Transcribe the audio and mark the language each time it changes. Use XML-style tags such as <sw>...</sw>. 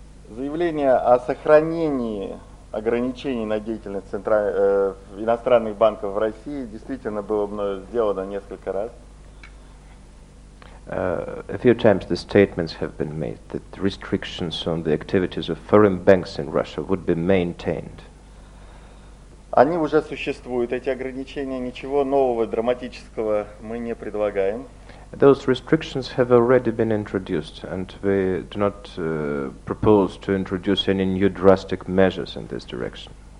<ru>Заявление о сохранении ограничений на деятельность иностранных банков в России действительно было мной сделано несколько раз.</ru> <en>A few times the statements have been made that restrictions on the activities of foreign banks in Russia would be maintained.</en> <ru>Они уже существуют, эти ограничения, ничего нового, драматического мы не предлагаем.</ru> <en>Those restrictions have already been introduced, and we do not propose to introduce any new drastic measures in this direction.</en>